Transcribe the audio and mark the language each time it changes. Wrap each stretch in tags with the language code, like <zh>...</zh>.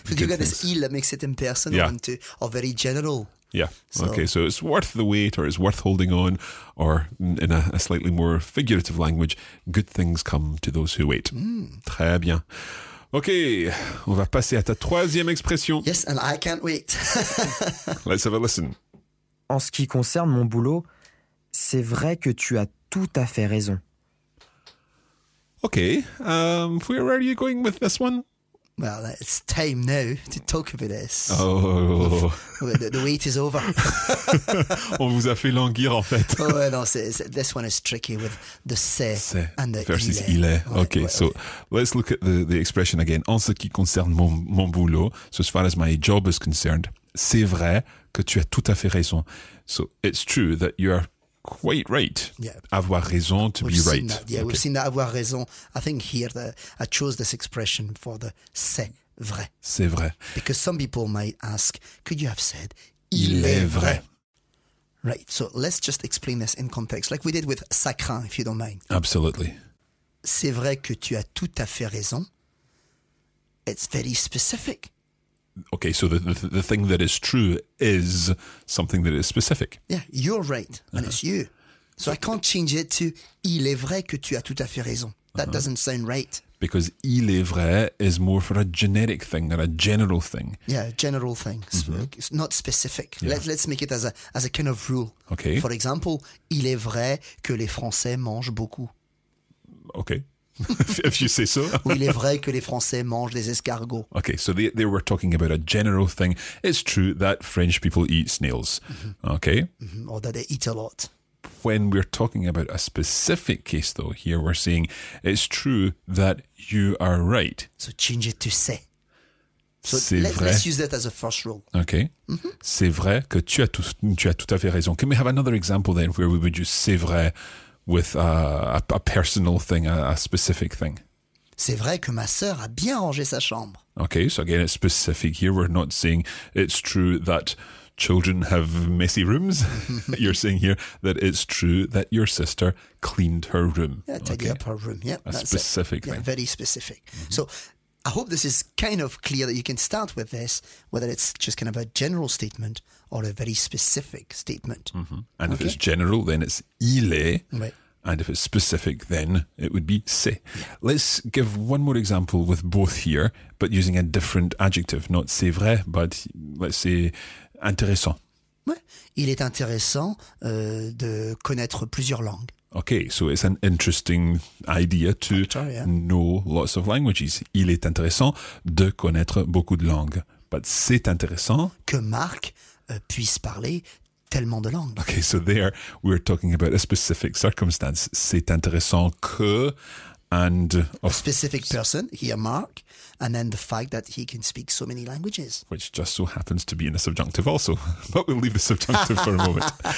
<en>You got this il that makes it impersonal or very general. Yeah. So it's worth the wait, or it's worth holding on, or in a slightly more figurative language, good things come to those who wait. Mm.</en> <fr>Très bien. OK, on va passer à ta troisième expression.</fr> <en>Yes, and I can't wait. Let's have a listen.</en> <fr>En ce qui concerne mon boulot, c'est vrai que tu as tout à fait raison.</fr> <en>Okay, where are you going with this one? Well, it's time now to talk about this. Oh. The wait is over.</en> <fr>On vous a fait languir, en fait.</fr> <en>Oh, no, this one is tricky with the se and the versus il est. Okay, let's look at the expression again.</en> <fr>En ce qui concerne mon boulot,</fr> <en>so as far as my job is concerned,</en> <fr>c'est vrai que tu as tout à fait raison.</fr> <en>So it's true that you are quite right. Yeah.</en> <fr>Avoir raison to</fr> <en>we've be right. That. Yeah, okay. We've seen that avoir raison. I think here that I chose this expression for the c'est vrai.</en> <fr>C'est vrai.</fr> <en>Because some people might ask, could you have said</en> <fr>il est vrai?</fr> <en>Right, so let's just explain this in context, like we did with ça craint, if you don't mind. Absolutely.</en> <fr>C'est vrai que tu as tout à fait raison.</fr> <en>It's very specific. Okay, so the thing that is true is something that is specific. Yeah, you're right, and it's you. So I can't change it to</en> <fr>il est vrai que tu as tout à fait raison.</fr> <en>That doesn't sound right. Because il est vrai is more for a generic thing than a general thing. Yeah, general thing. It's not specific. Yeah. Let's make it as a kind of rule. Okay.</en> <fr>For example, il est vrai que les Français mangent beaucoup.</fr> <en>Okay. If you say so.</en> <fr>Ou il est vrai que les Français mangent des escargots.</fr> <en>Okay, so they were talking about a general thing. It's true that French people eat snails. Mm-hmm. Okay. Mm-hmm. Or that they eat a lot. When we're talking about a specific case, though, here we're saying it's true that you are right. So change it to c'est. So c'est vrai. Let's use that as a first rule. Okay. Mm-hmm.</en> <fr>C'est vrai que tu as tout à fait raison.</fr> <en>Can we have another example then where we would use c'est vrai with a personal thing, a specific thing?</en> <fr>C'est vrai que ma sœur a bien rangé sa chambre.</fr> <en>Okay, so again, it's specific here. We're not saying it's true that children have messy rooms. You're saying here that it's true that your sister cleaned her room. Yeah, tidied up her room, yeah. A specific thing. Yeah, very specific. Mm-hmm. So I hope this is kind of clear that you can start with this, whether it's just kind of a general statement or a very specific statement. Mm-hmm. And okay. If it's general, then it's il est. Right. And if it's specific, then it would be c'est. Yeah. Let's give one more example with both here, but using a different adjective, not c'est vrai, but let's say intéressant.</en> <fr>Ouais. Il est intéressant de connaître plusieurs langues.</fr> <en>Okay, so it's an interesting idea to know lots of languages.</en> <fr>Il est intéressant de connaître beaucoup de langues. But c'est intéressant que Marc puisse parler tellement de langues.</fr> <en>Okay, so there we're talking about a specific circumstance.</en> <fr>C'est intéressant que and</fr> <en>a specific person, here Marc, and then the fact that he can speak so many languages. Which just so happens to be in the subjunctive also. But we'll leave the subjunctive for a moment.</en>